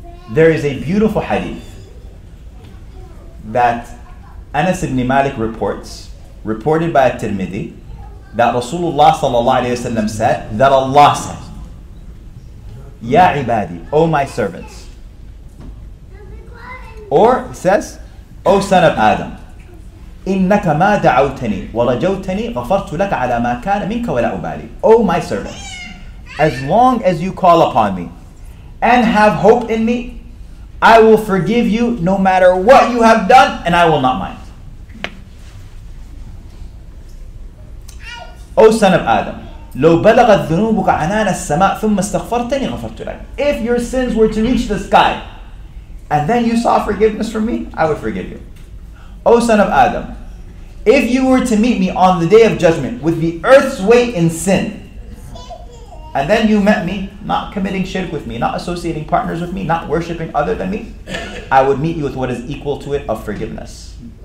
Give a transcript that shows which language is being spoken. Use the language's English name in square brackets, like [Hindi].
[English] There is a beautiful hadith that Anas ibn Malik reported by At-Tirmidhi, that Rasulullah sallallahu alayhi wa sallam said, that Allah said, [Arabic] Ya ibadi, [English] O my servants, or says, O son of Adam, [Arabic] إِنَّكَ مَا دَعَوْتَنِي وَرَجَوْتَنِي غَفَرْتُ لَكَ عَلَى مَا كَانَ مِنْكَ وَلَا أُبَالِي. [English] O my servant, as long as you call upon me and have hope in me, I will forgive you no matter what you have done, and I will not mind. O son of Adam, [Arabic] لَوْ بَلَغَ الذُّنُوبُكَ عَنَانَ السَّمَاءِ ثُمَّ اسْتَغْفَرْتَنِي غَفَرْتُ لَكَ. [English] If your sins were to reach the sky, and then you saw forgiveness from me, I would forgive you. O son of Adam, if you were to meet me on the day of judgment with the earth's weight in sin, and then you met me not committing shirk with me, not associating partners with me, not worshiping other than me, I would meet you with what is equal to it of forgiveness.